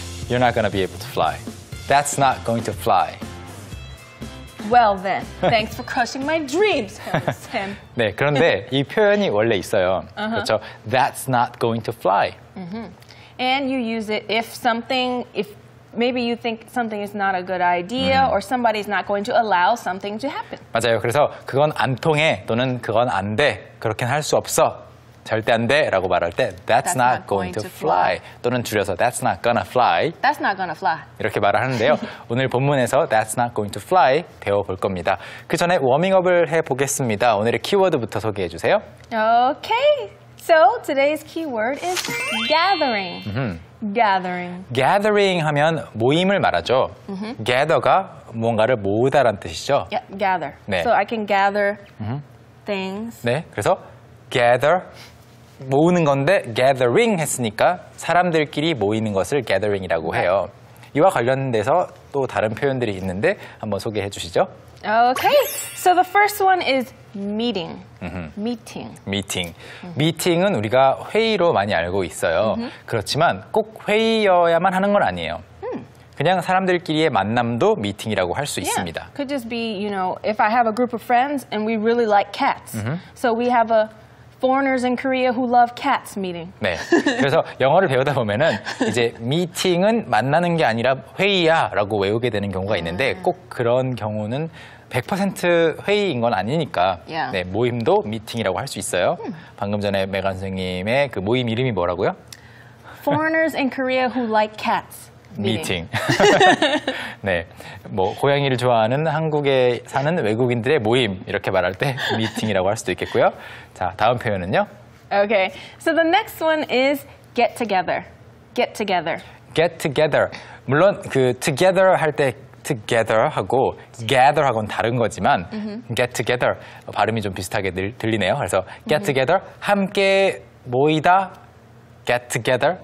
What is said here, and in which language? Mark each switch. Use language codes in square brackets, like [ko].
[en] You're not going to be able to fly. That's not going to fly. Well then, thanks for crushing my dreams, Sam. [ko] 네, 그런데 이 표현이 원래 있어요. [en] Uh-huh. [ko] 그렇죠? [en] That's not going to fly. Mm-hmm. And you use it if something, if maybe you think something is not a good idea mm-hmm. or somebody is not going to allow something to happen. [ko] 맞아요. 그래서 그건 안 통해 또는 그건 안 돼. 그렇게는 할 수 없어. 절대 안 돼라고 말할 때 [en] that's not going to fly [ko] 또는 줄여서 [en] that's not gonna fly. That's not gonna fly. [ko] 이렇게 말을 하는데요. 오늘 본문에서 [en] that's not going to fly [ko] 배워 볼 겁니다. 그 전에 워밍업을 해 보겠습니다. 오늘의 키워드부터 소개해 주세요. [en] Okay. So today's keyword is gathering. Mm-hmm. Gathering. [ko] Gathering 하면 모임을 말하죠. Mm-hmm. Gather가 뭔가를 모으다라는 뜻이죠. [en] Yeah, gather. [ko] 네. [en] So I can gather mm-hmm. things. [ko] 네. 그래서 gather 모으는 건데 gathering 했으니까 사람들끼리 모이는 것을 gathering이라고 해요. 이와 관련돼서 또 다른 표현들이 있는데 한번 소개해 주시죠. [en] Okay. So the first one is meeting. Mm-hmm. Meeting. [ko] Meeting. Mm-hmm. Meeting은 우리가 회의로 많이 알고 있어요. Mm-hmm. 그렇지만 꼭 회의여야만 하는 건 아니에요. 그냥 사람들끼리의 만남도 미팅이라고 할 수 yeah. 있습니다. [en] Could just be, you know, if I have a group of friends and we really like cats. Mm-hmm. So we have a foreigners in Korea who love cats meeting. [ko] 네. 그래서 영어를 배우다 보면은 이제 미팅은 만나는 게 아니라 회의야라고 외우게 되는 경우가 있는데 꼭 그런 경우는 100% 회의인 건 아니니까 yeah. 네, 모임도 미팅이라고 할 수 있어요. 방금 전에 메간 선생님의 그 모임 이름이 뭐라고요? [en] Foreigners in Korea who like cats. [ko] 미팅. 네, 뭐 고양이를 좋아하는 한국에 사는 외국인들의 모임 이렇게 말할 때 미팅이라고 할 수도 있겠고요. 자, 다음 표현은요. [en] Okay, so the next one is get together. Get together. [ko] Get together. 물론 그 together 할 때 together 하고 gather 하고는 다른 거지만 mm-hmm. get together 발음이 좀 비슷하게 들리네요. 그래서 get mm-hmm. [en] together [ko] 함께 모이다. [en] Get together.